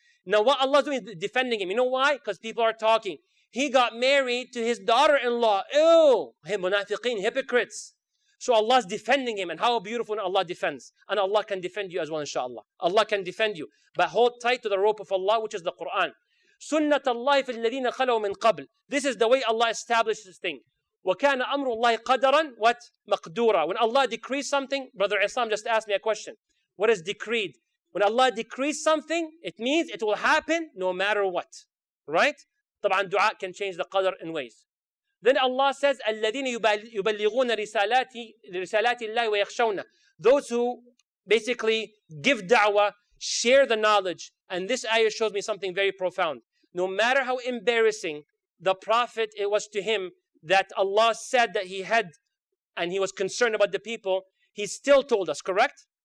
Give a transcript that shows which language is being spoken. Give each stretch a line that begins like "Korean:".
English: Now what Allah is doing is defending him. You know why? Because people are talking. He got married to his daughter-in-law. Ew! Hey, munafiqeen, hypocrites. So Allah is defending him. And how beautiful Allah defends. And Allah can defend you as well, inshallah. Allah can defend you. But hold tight to the rope of Allah, which is the Quran.
Arabic: سُنَّةَ اللَّهِ فِي الَّذِينَ خَلَوْا مِنْ قَبْلِ.
English: This is the way Allah established this thing.
Arabic: وَكَانَ أَمْرُ اللَّهِ قَدَرًا
English: what?
Arabic: مَقْدُورًا.
English: When Allah decrees something, Brother Islam just asked me a question. What is decreed? When Allah decrees something, it means it will happen no matter what. Right?
Arabic: طبعاً دعاء
English: can change the qadr in ways. Then Allah says,
Arabic: الَّذِينَ يُبَلِّغُونَ رِسَالَاتِ اللَّهِ وَيَخْشَوْنَ.
English: Those who basically give da'wah, share the knowledge. And this ayah shows me something very profound. No matter how embarrassing the Prophet it was to him, that Allah said that he had and he was concerned about the people, he still told us, correct?